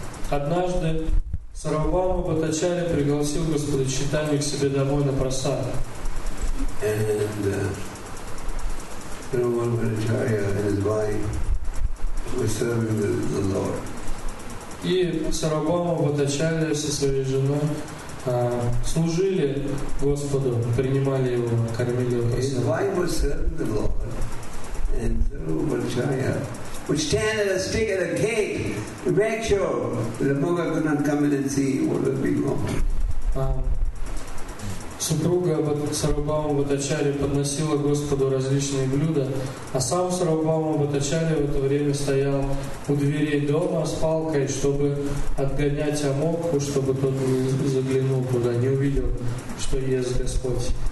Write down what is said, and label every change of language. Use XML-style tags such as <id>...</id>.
<ru>Однажды Сарвабхаума Бхаттачарья пригласил Господа Чайтанью к себе домой на прасад.</ru> <en>And Sarvabhauma Bhattacharya and his wife were serving the Lord.</en> <ru>И Сарвабхаума Бхаттачарья со своей женой служили Господу, принимали его, кормили его.</ru> <en>His wife was serving the Lord, and Sarvabhauma Bhattacharya would stand at a stick at a gate to make sure that the Mugha could not come in and see what was being on.</en> <ru>Супруга Сарвабхаума Бхаттачарья подносила Господу различные блюда, а сам Сарвабхаума Бхаттачарья в это время стоял у дверей дома с палкой, чтобы отгонять амоху, чтобы тот не заглянул туда, не увидел, что ест Господь.</ru>